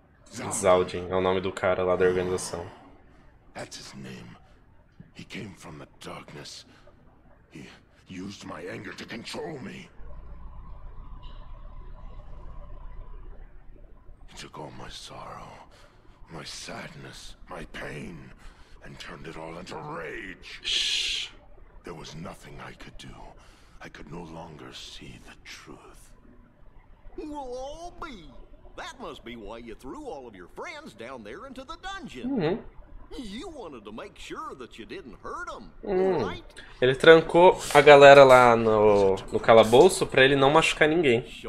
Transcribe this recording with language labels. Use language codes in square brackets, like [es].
[pt] Zaldin é o nome do cara lá da organização. [en] That's his name. He came from the darkness. He used my anger to control me. He took all my sorrow, my sadness, my pain, and turned it all into rage. Shh. There was nothing I could do. I could no longer see the truth. We'll all be. That must be why you threw all of your friends down there into the dungeon. Uhum. You wanted to make sure that you didn't hurt them, right? [pt] Ele trancou a galera lá no calabouço pra ele não machucar ninguém.